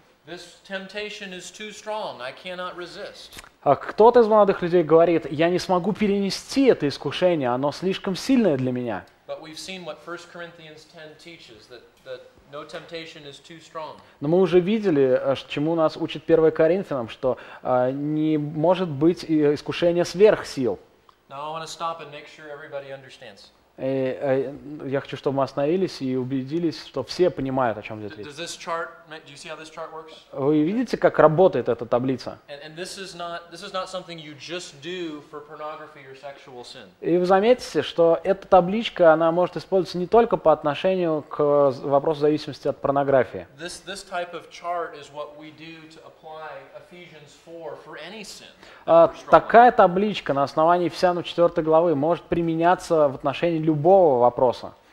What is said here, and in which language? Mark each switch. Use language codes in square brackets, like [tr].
[en] This temptation is too strong. I cannot resist. [ru] А кто-то из молодых людей говорит, я не смогу перенести это искушение, оно слишком сильное для меня. [en] But we've seen what 1 Corinthians 10 teaches, that no temptation is too strong. [ru] Но мы уже видели, чему нас учит 1 Коринфянам, что не может быть искушения сверх сил. [en] Now I want to stop and make sure everybody understands. [ru] И я хочу, чтобы мы остановились и убедились, что все понимают, о чем здесь речь. [en] Does this chart, do you see how this chart works? [ru] Вы видите, как работает эта таблица? [en] And this is not something you just do for pornography or sexual sin. [ru] И вы заметите, что эта табличка, она может использоваться не только по отношению к вопросу зависимости от порнографии. [en] This type of chart is what we do to apply Ephesians 4 for any sin. [ru] Такая табличка на основании Ефесянам 4 главы может применяться в отношении любого вопроса.